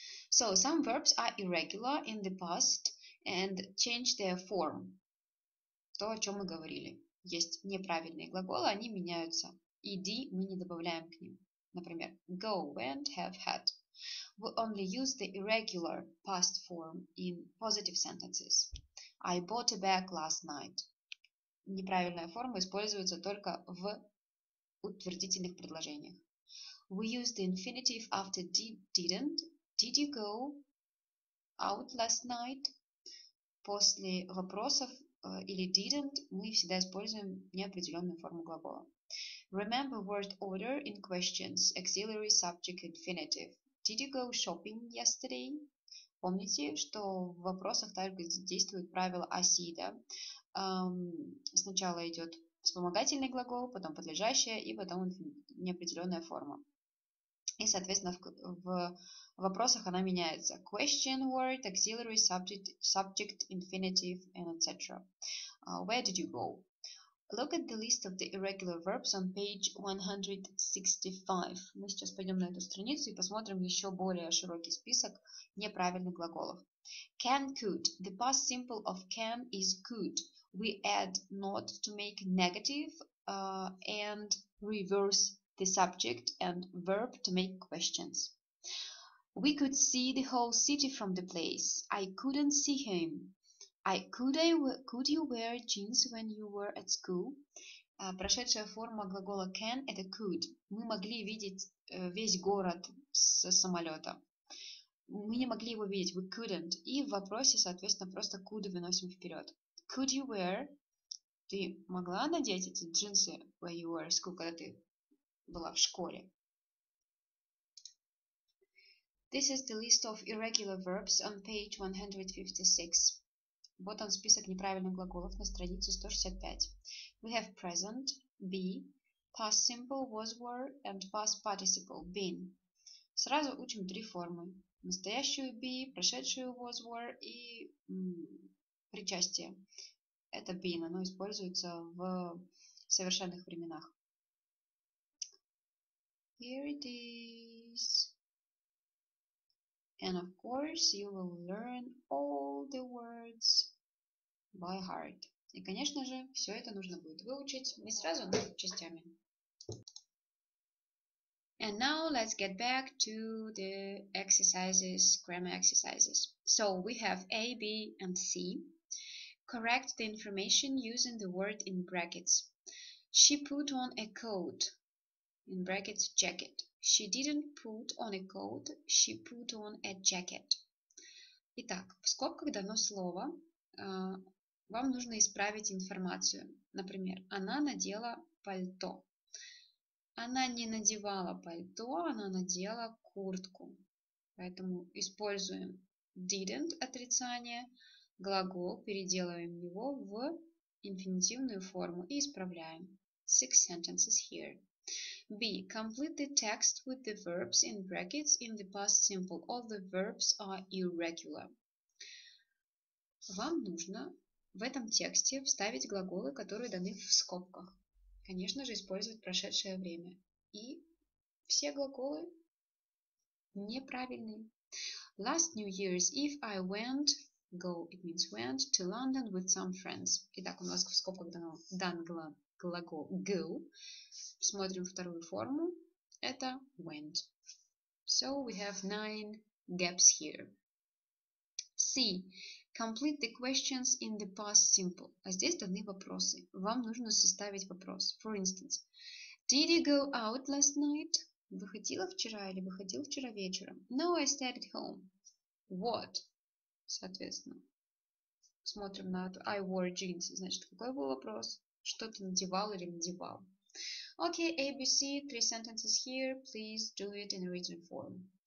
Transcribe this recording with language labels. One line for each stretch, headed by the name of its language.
English: So, some verbs are irregular in the past and change their form.
Russian: То, о чем мы говорили. Есть неправильные глаголы, они меняются. ED мы не добавляем к ним. Например,
English: go, went, have, had. We only use the irregular past form in positive sentences. I bought a bag last night.
Russian: Неправильная форма используется только в утвердительных предложениях.
English: We use the infinitive after didn't. Did you go out last night?
Russian: После вопросов или didn't мы всегда используем неопределенную форму глагола.
English: Remember word order in questions. Auxiliary subject infinitive. Did you go shopping yesterday?
Russian: Помните, что в вопросах также действует правило оси, да? Сначала идет вспомогательный глагол, потом подлежащее и потом неопределенная форма. И, соответственно, в вопросах она меняется.
English: Question word, auxiliary subject, subject infinitive, and etc. Where did you go? Look at the list of the irregular verbs on page 165.
Russian: Мы сейчас пойдем на эту страницу и посмотрим еще более широкий список неправильных глаголов.
English: Can, could. The past simple of can is could. We add not to make negative and reverse the subject and verb to make questions. We could see the whole city from the place. I couldn't see him. Could you wear jeans when you were at school?
Russian: Прошедшая форма глагола can – это could. Мы могли видеть весь город с самолета. Мы не могли его видеть.
English: We couldn't.
Russian: И в вопросе, соответственно, просто could выносим вперед.
English: Could you wear?
Russian: Ты могла надеть эти джинсы
English: when you were at school,
Russian: когда ты была в школе?
English: This is the list of irregular verbs on page 156.
Russian: Вот он, список неправильных глаголов на странице 165. We have present, be, past simple was were, and past participle, been. Сразу учим три формы. Настоящую be, прошедшую was were и причастие. Это been, оно используется в совершенных временах.
English: Here it is. And of course, you will learn all the words by heart. И, конечно же, все это нужно будет выучить не сразу, но частями. And now let's get back to the exercises, grammar exercises. So, we have A, B and C. Correct the information using the word in brackets. She put on a coat. In brackets, jacket. She didn't put on a coat, she put on a jacket.
Russian: Итак, в скобках дано слово. Вам нужно исправить информацию. Например, она надела пальто. Она не надевала пальто, она надела куртку. Поэтому используем didn't отрицание. Глагол переделываем его в инфинитивную форму и исправляем.
English: Six sentences here. B. Complete the text with the verbs in brackets in the past simple. All the verbs are irregular.
Russian: Вам нужно в этом тексте вставить глаголы, которые даны в скобках. Конечно же, использовать прошедшее время. И все глаголы неправильные.
English: Last New Year's Eve I went, go, it means went, to London with some friends.
Russian: Итак, у нас в скобках дан глагол go. Смотрим вторую форму. Это
English: went. So we have 9 gaps here. C. Complete the questions in the past simple.
Russian: А здесь даны вопросы. Вам нужно составить вопрос.
English: For instance, did you go out last night?
Russian: Выходила вчера или выходил вчера вечером?
English: No, I stayed at home. What?
Russian: Соответственно, смотрим на это.
English: I wore jeans.
Russian: Значит, какой был вопрос? Что ты надевал или надевал?
English: Okay, A, B, C, 3 sentences here. Please do it in written form.